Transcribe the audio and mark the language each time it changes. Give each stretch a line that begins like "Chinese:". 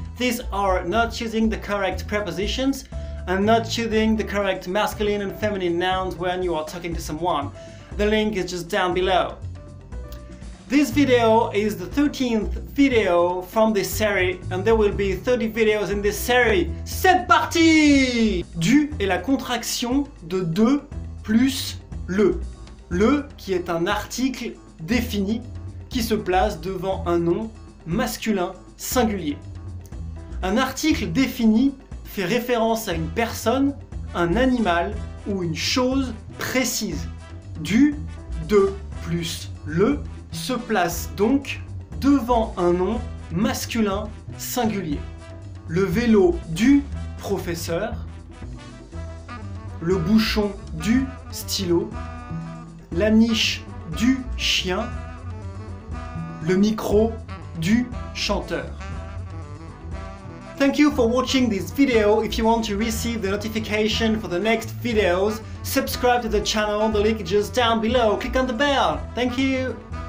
English: These are not using the correct prepositions and not choosing the correct masculine and feminine nouns when you are talking to someone. The link is just down below. This video is the 13th video from this series, and there will be 30 videos in this series.
French: C'est parti! Du est la contraction de de plus le. Le qui est un article défini qui se place devant un nom masculin singulier. Un article défini fait référence à une personne, un animal ou une chose précise. Du, de, plus le se place donc devant un nom masculin singulier. Le vélo du professeur, le bouchon du stylo, la niche du chien, le micro du chanteur.
English: Thank you for watching this video. If you want to receive the notification for the next videos, subscribe to the channel. The link is just down below. Click on the bell. Thank you.